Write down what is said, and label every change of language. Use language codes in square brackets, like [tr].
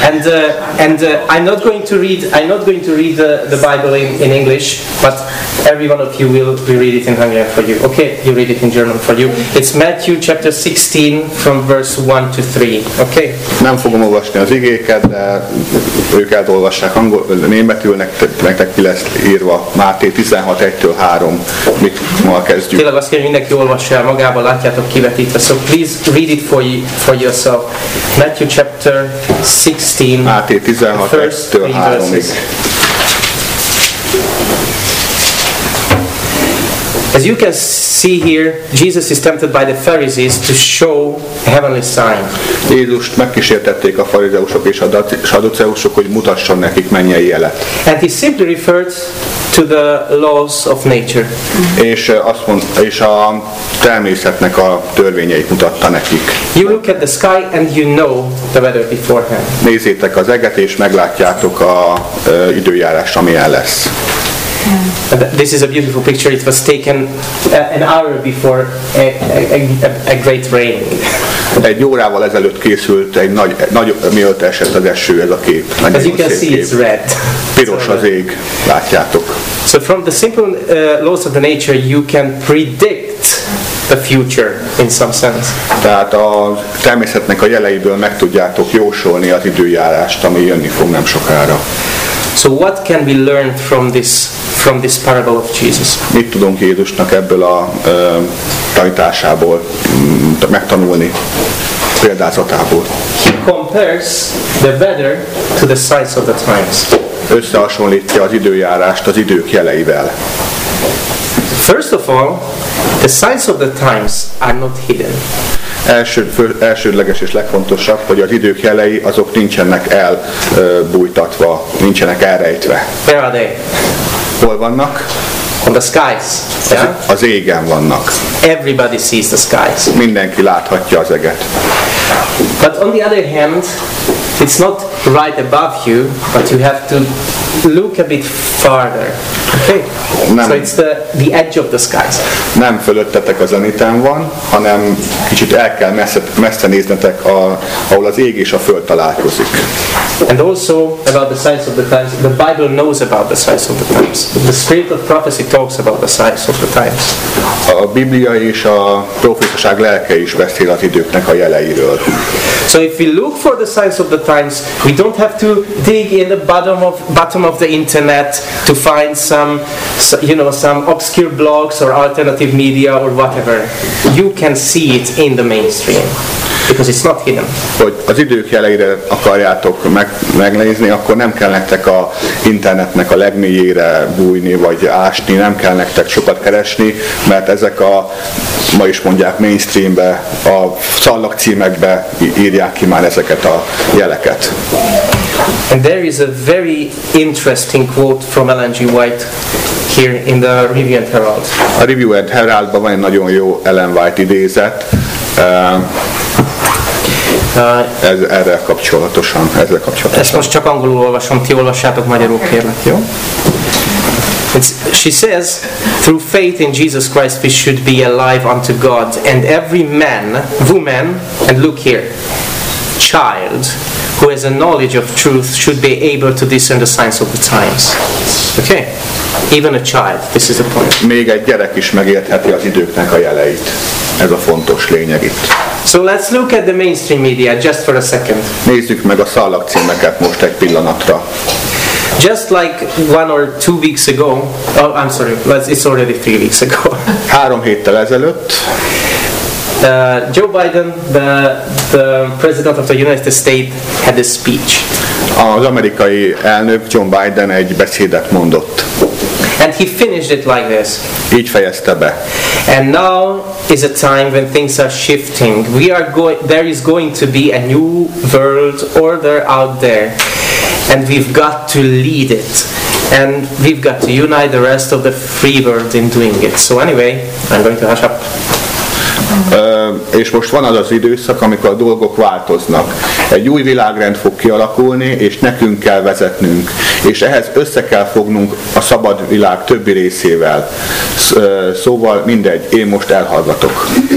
[en] I'm not going to read the Bible in English, but every one of you will read it in Hungarian for you. Okay, you read it in German for you. It's Matthew chapter 16 from verse 1 to 3. Okay. [hu] Nem fogom olvasni az igéket, de ők elolvassák angol, németül, nektek ki lesz írva. Máté 16:1-3. Mit ma kezdjük? Tényleg azt kell, mindenki olvassa el magában, látjátok kivetítve. [en] So please read it for yourself. Matthew chapter 16, [hu] Máté 16:1-3. [en] As you can see here, Jesus is tempted by the Pharisees to show a heavenly sign. [hu] Jézust megkísértették a farizeusok és a szaduceusok, hogy mutasson nekik mennyei jelet. [en] And he simply referred to the laws of nature. [hu] És azt mondta, és a természetnek a törvényeit mutatta nekik. [en] You look at the sky and you know the weather beforehand. [hu] Nézzétek az eget, és meglátjátok az időjárást, amilyen lesz. [en] This is a beautiful picture. It was taken an hour before a great rain. [hu] Egy órával ezelőtt készült egy nagy mielőtt esett az eső ez a kép. Nagyon [en] as you can see, it's red. [hu] Piros az ég, látjátok. [en] So from the simple laws of the nature, you can predict the future in some sense. [hu] Tehát a természetnek a jeleiből meg tudjátok jósolni az időjárást, ami jönni fog nem sokára. [en] So what can we learn from this parable of Jesus? [hu] Mit tudunk Jézusnak ebből a tanításából megtanulni, példázatából? [en] He compares the weather to the signs of the times. [hu] Összehasonlítja az időjárást az idők jeleivel. [en] First of all, the signs of the times are not hidden. [hu] Elsődleges és legfontosabb, hogy az idők jelei azok nincsenek elbújtatva, nincsenek elrejtve. [en] Where are they? [hu] Hol vannak? [en] On the skies. [hu] Az égen vannak. [en] Everybody sees the skies. [hu] Mindenki láthatja az eget. [en] But on the other hand, it's not right above you, but you have to look a bit farther. Okay. [hu] Nem. [en] So it's the edge of the skies. [hu] Nem fölöttetek a zeniten van, hanem kicsit el kell messze néznetek, ahol az ég és a föld találkozik. [en] And also about the signs of the times, the Bible knows about the signs of the times. The spirit of prophecy talks about the signs of the times. [hu] A Biblia és a prófétaság lelke is beszél az időknek a jeleiről. [en] So if we look for the signs of the times, we don't have to dig in the bottom of the internet to find some obscure blogs or alternative media or whatever. You can see it in the mainstream. Because it's not hidden. [hu] Hogy az idők jeleire akarjátok megnézni, akkor nem kell nektek a internetnek a legmélyére bújni vagy ásni, nem kell nektek sokat keresni, mert ezek a, ma is mondják, mainstreambe, a szallagcímekbe írják ki már ezeket a jeleket. [en] And there is a very interesting quote from Ellen G. White here in the Review and Herald. [hu] A Review and Heraldban van egy nagyon jó Ellen White idézet. Erre kapcsolatosan, ezzel kapcsolatosan. Ezt most csak angolul olvasom, ti olvassátok magyarul, kérlek, jó? [en] It's, she says, through faith in Jesus Christ we should be alive unto God, and every man, woman, and look here, child, who has a knowledge of truth should be able to discern the signs of the times. Okay? Even a child, this is the point. [hu] Még egy gyerek is megértheti az időknek a jeleit. Ez a fontos lényeg itt. [en] So let's look at the mainstream media just for a second. [hu] Nézzük meg a szalagcímeket most egy pillanatra. [en] Just like one or two weeks ago, oh, I'm sorry, it's already 3 weeks ago. [hu] 3 héttel ezelőtt. [en] Joe Biden, the president of the United States, had a speech. [hu] Az amerikai elnök John Biden egy beszédet mondott. [en] And he finished it like this. [hu] Így fejezte be. [en] And now is a time when things are shifting. We are going. There is going to be a new world order out there, and we've got to lead it. And we've got to unite the rest of the free world in doing it. So anyway, I'm going to hush up. [hu] És most van az az időszak, amikor a dolgok változnak. Egy új világrend fog kialakulni, és nekünk kell vezetnünk. És ehhez össze kell fognunk a szabad világ többi részével. Szóval mindegy, én most elhallgatok.